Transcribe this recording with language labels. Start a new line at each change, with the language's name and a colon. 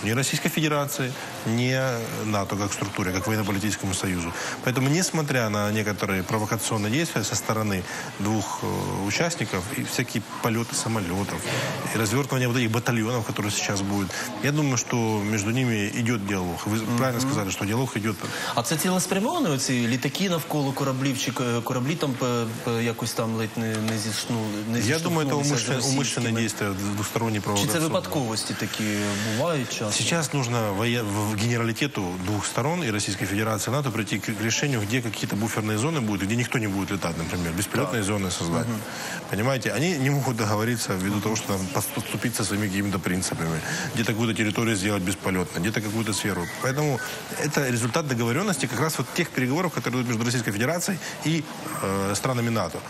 Russian: Ни Российской Федерации, ни НАТО как структуре, как военно-политическому союзу. Поэтому, несмотря на некоторые провокационные действия со стороны двух участников и всякие полеты самолетов, и развертывание вот этих батальонов, которые сейчас будут, я думаю, что между ними идет диалог. Вы правильно сказали, что диалог идет.
Ukrainian: А це цілеспрямовано, ці літаки навколо кораблів, чи кораблі там якось там ледь не зіштовхнули? Я думаю, це умисні дії, двосторонні провокації. Чи це випадковості такі бувають часто?
Russian: Сейчас нужно в генералитету двух сторон и Российской Федерации НАТО прийти к решению, где какие-то буферные зоны будут, где никто не будет летать, например, беспилотные зоны создать. Понимаете, они не могут договориться ввиду того, что там поступиться своими какими-то принципами. Где-то какую-то территорию сделать бесполетной, где-то какую-то сферу. Поэтому это результат договоренности как раз вот тех переговоров, которые идут между Российской Федерацией и странами НАТО.